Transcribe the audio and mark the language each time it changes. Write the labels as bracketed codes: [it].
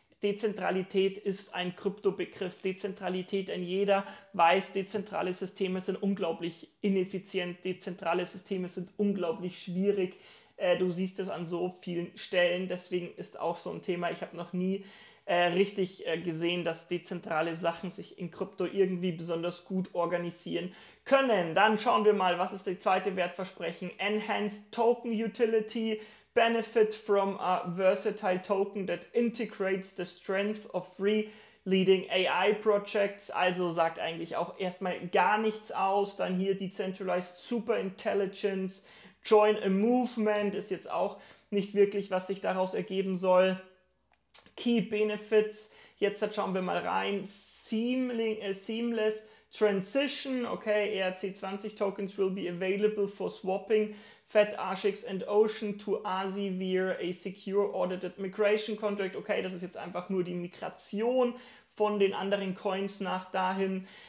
[de] Dezentralität ist ein Kryptobegriff. Dezentralität, denn jeder weiß, dezentrale Systeme sind unglaublich ineffizient, dezentrale Systeme sind unglaublich schwierig. Du siehst es an so vielen Stellen, deswegen ist auch so ein Thema, ich habe noch nie richtig gesehen, dass dezentrale Sachen sich in Krypto irgendwie besonders gut organisieren können. Dann schauen wir mal, was ist das zweite Wertversprechen? [en] Enhanced Token Utility, benefit from a versatile token that integrates the strength of three leading AI projects. [de] Also sagt eigentlich auch erstmal gar nichts aus. Dann hier [en] Decentralized Super Intelligence, join a movement, [de] ist jetzt auch nicht wirklich, was sich daraus ergeben soll. [en] Key Benefits, [de] jetzt schauen wir mal rein, [en] Seamless Transition, okay, ERC20 Tokens will be available for swapping FET, AGIX and Ocean to ASI via a secure audited migration contract, [de] okay, das ist jetzt einfach nur die Migration von den anderen Coins nach dahin.